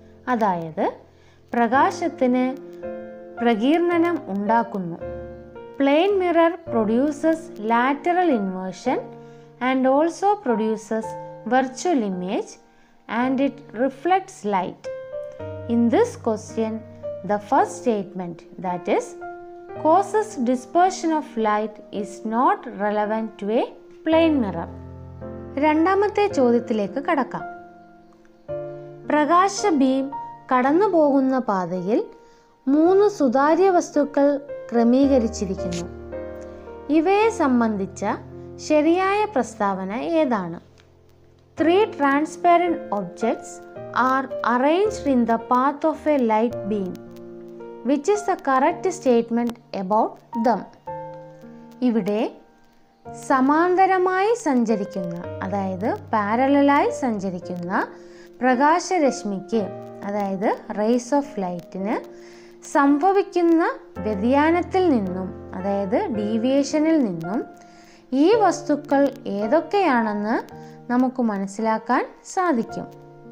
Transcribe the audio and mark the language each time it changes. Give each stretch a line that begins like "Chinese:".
Malayalam: അതായത് പ്രകാശത്തിന് പ്രകീർണനം ഉണ്ടാക്കുന്നു.
English: Plain mirror produces lateral inversion and also produces virtual image and it reflects light. In this question, the first statement, that is, causes dispersion of light is not relevant to a plane mirror.
Malayalam: രണ്ടാമത്തെ ചോദ്യത്തിലേക്ക് കടക്കാം. പ്രകാശ beam കടന്നു പോകുന്ന പാതയിൽ മൂന്ന് സുതാര്യ വസ്തുക്കൾ ക്രമീകരിച്ചിരിക്കുന്നു. ഇവയെ സംബന്ധിച്ച ശരിയായ പ്രസ്താവന ഏതാണ്?
English: Three transparent objects are arranged in the path of a light beam. Which is the correct statement about them?
Malayalam: ഇവിടെ സമാന്തരമായി സഞ്ചരിക്കുന്ന, അതായത് പാരലലായി സഞ്ചരിക്കുന്ന പ്രകാശരശ്മിക്ക്, അതായത്
English: rays of light-
Malayalam: ന് സംഭവിക്കുന്ന വ്യതിയാനത്തിൽ നിന്നും, അതായത് ഡീവിയേഷനിൽ നിന്നും ഈ വസ്തുക്കൾ ഏതൊക്കെയാണെന്ന് നമുക്ക് മനസ്സിലാക്കാൻ സാധിക്കും.